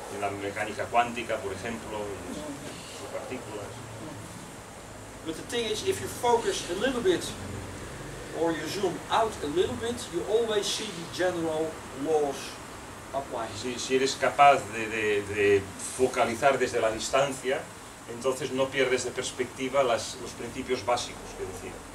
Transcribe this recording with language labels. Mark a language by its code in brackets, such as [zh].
[es] En la mecánica cuántica, por ejemplo, sus partículas. [en] But the thing is, if you focus a little bit, or you zoom out a little bit, you always see the general laws apply. [es] Si eres capaz de focalizar desde la distancia, entonces no pierdes de perspectiva los principios básicos que decía.